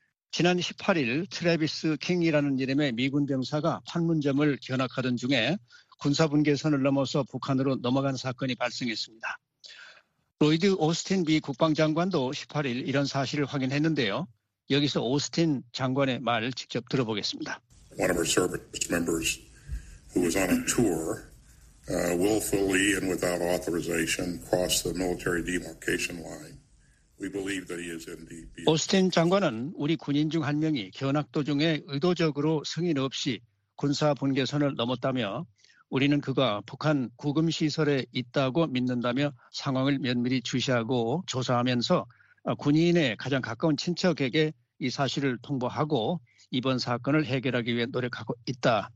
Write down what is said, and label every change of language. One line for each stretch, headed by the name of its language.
Korean: 지난 18일 트래비스 킹이라는 이름의 미군 병사가 판문점을 견학하던 중에 군사분계선을 넘어서 북한으로 넘어간 사건이 발생했습니다. 로이드 오스틴 미 국방장관도 18일 이런 사실을 확인했는데요. 여기서 오스틴 장관의 말 직접 들어보겠습니다.
English: One of our service members who was on a tour willfully and without authorization crossed the military demarcation line. We believe that he is in the.
Korean: 오스틴 장관은 우리 군인 중 한 명이 견학 도중에 의도적으로 승인 없이 군사 분계선을 넘었다며 우리는 그가 북한 구금시설에 있다고 믿는다며 상황을 면밀히 주시하고 조사하면서 군인의 가장 가까운 친척에게 이 사실을 통보하고 이번 사건을 해결하기 위해 노력하고 있다.